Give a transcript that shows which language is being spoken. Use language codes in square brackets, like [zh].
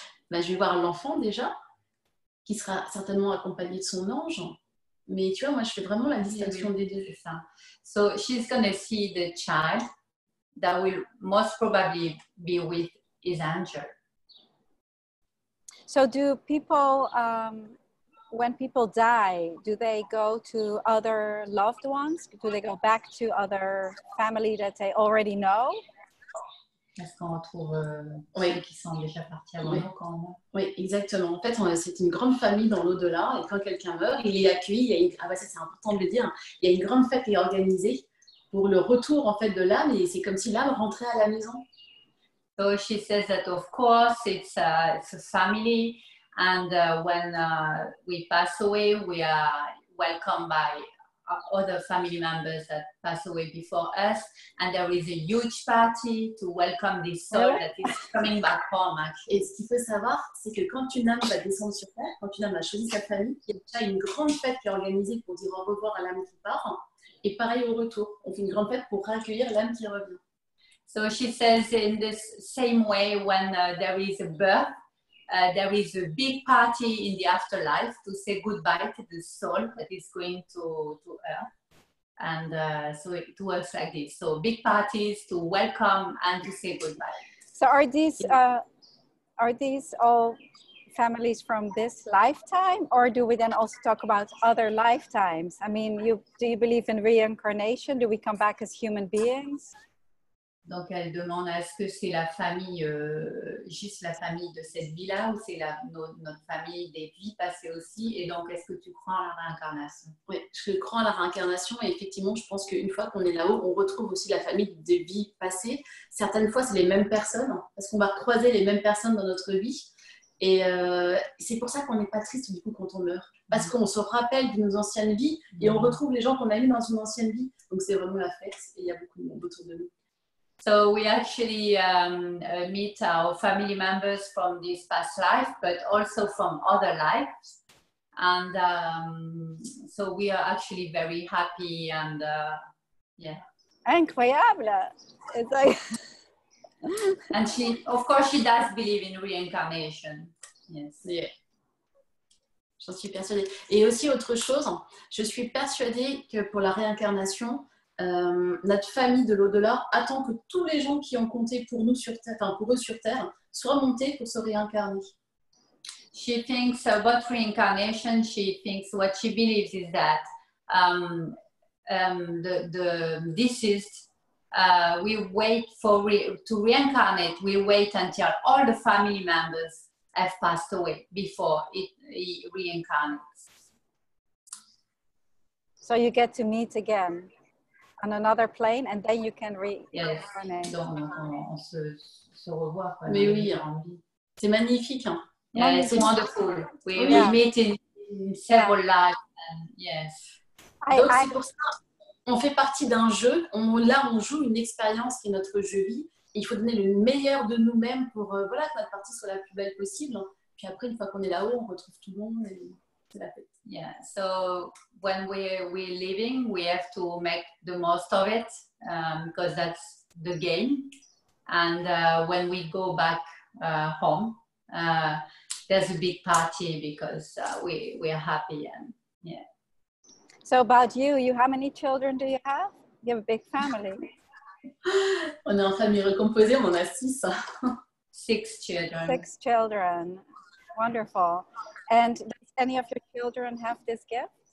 [fr] Ben, je vais voir l'enfant déjà, qui sera certainement accompagné de son ange. Mais tu vois, moi, je fais vraiment la distinction des deux. C'est ça. [en] So she's gonna see the child that will most probably be with his angel. So do people, when people die, do they go to other loved ones? Do they go back to other family that they already know? [fr] Est-ce qu'on retrouve ceux qui sont déjà partis avant nous quand même? Oui, exactement. En fait, c'est une grande famille dans l'au-delà. Et quand quelqu'un meurt, il est accueilli. C'est important de le dire. Il y a une grande fête qui est organisée pour le retour en fait de l'âme. Et c'est comme si l'âme rentrait à la maison. [en] So she says that of course it's a family. And when we pass away, we are welcomed by other family members that pass away before us. And there is a huge party to welcome this soul that is coming back home, actually. [fr] Et ce qu'il faut savoir, c'est que quand une âme va descendre sur Terre, quand une âme a choisi sa famille, il y a déjà une grande fête qui est organisée pour dire au revoir à l'âme qui part. Et pareil au retour, on fait une grande fête pour réaccueillir l'âme qui revient. [en] So she says in this same way, when there is a birth, there is a big party in the afterlife to say goodbye to the soul that is going to Earth. And so it works like this. So big parties to welcome and to say goodbye. So are these all families from this lifetime, or do we then also talk about other lifetimes? I mean, do you believe in reincarnation? Do we come back as human beings? [fr] Donc elle demande, est-ce que c'est la famille, juste la famille de cette vie-là, ou c'est notre famille des vies passées aussi? Et donc, est-ce que tu crois en la réincarnation? Oui, je crois en la réincarnation, et effectivement, je pense qu'une fois qu'on est là-haut, on retrouve aussi la famille des vies passées. Certaines fois, c'est les mêmes personnes, parce qu'on va croiser les mêmes personnes dans notre vie. Et c'est pour ça qu'on n'est pas triste, du coup, quand on meurt. Parce qu'on se rappelle de nos anciennes vies, et on retrouve les gens qu'on a eus dans une ancienne vie. Donc c'est vraiment la fête, et il y a beaucoup de monde autour de nous. [en] So we actually meet our family members from this past life, but also from other lives. And so we are actually very happy and, yeah. [fr] Incroyable! [en] It's like... And she, of course, she does believe in reincarnation. Yes. [fr] Yeah. J'en suis persuadée. Et aussi autre chose, je suis persuadée que pour la réincarnation, notre famille de l'au-delà attend que tous les gens qui ont compté pour nous sur Terre, enfin pour eux sur Terre, soient montés pour se réincarner. [en] She thinks about reincarnation. She thinks what she believes is that the deceased we wait for to reincarnate. We wait until all the family members have passed away before he reincarnates. So you get to meet again. On another plane, and then you can reincarnate. Yes. [fr] Donc, on se revoit. Mais oui, c'est magnifique. [en] Yeah, it's wonderful. We meet in several lives. Yes. [fr] Donc, c'est pour ça qu'on fait partie d'un jeu. On joue une expérience qui est notre jeu vie. Il faut donner le meilleur de nous-mêmes pour voilà, que notre partie soit la plus belle possible. Puis après, une fois qu'on est là-haut, on retrouve tout le monde. Et... [en] Yeah, so when we're leaving, we have to make the most of it because that's the game. And when we go back home, there's a big party because we are happy. And yeah. So about you, how many children do you have? You have a big family. [fr] On est en famille recomposée, on a six. [en] Six children. Six children. Wonderful. And any of your children have this gift?